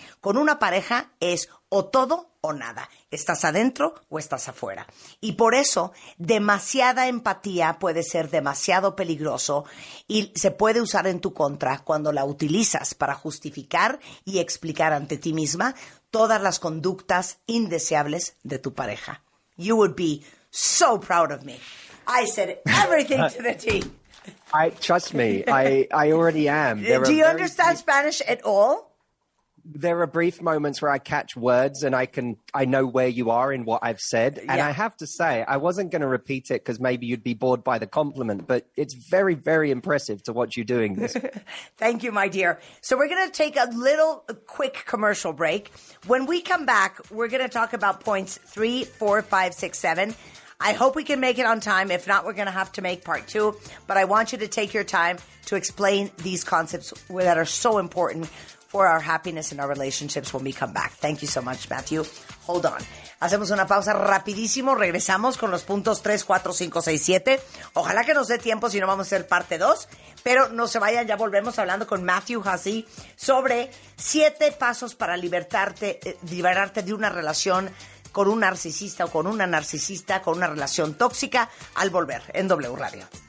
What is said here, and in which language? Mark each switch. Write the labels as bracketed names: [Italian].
[Spanish] Con una pareja es o todo o nada. Estás adentro o estás afuera. Y por eso, demasiada empatía puede ser demasiado peligroso y se puede usar en tu contra cuando la utilizas para justificar y explicar ante ti misma todas las conductas indeseables de tu pareja. [English] You would be so proud of me. I said everything to the team. Trust me, I already am. Do you understand Spanish at all? There are brief moments where I catch words and I know where you are in what I've said. Yeah. And I have to say, I wasn't going to repeat it because maybe you'd be bored by the compliment, but it's very, very impressive to watch you doing this. Thank you, my dear. So we're going to take a little quick commercial break. When we come back, we're going to talk about points 3, 4, 5, 6, 7. I hope we can make it on time. If not, we're going to have to make part two. But I want you to take your time to explain these concepts that are so important for our happiness and our relationships when we come back. Thank you so much, Matthew. Hold on. [Spanish] Hacemos una pausa rapidísimo. Regresamos con los puntos 3, 4, 5, 6, 7. Ojalá que nos dé tiempo si no vamos a hacer parte 2. Pero no se vayan. Ya volvemos hablando con Matthew Hussey sobre 7 pasos para liberarte de una relación con un narcisista o con una narcisista, con una relación tóxica, al volver en W Radio.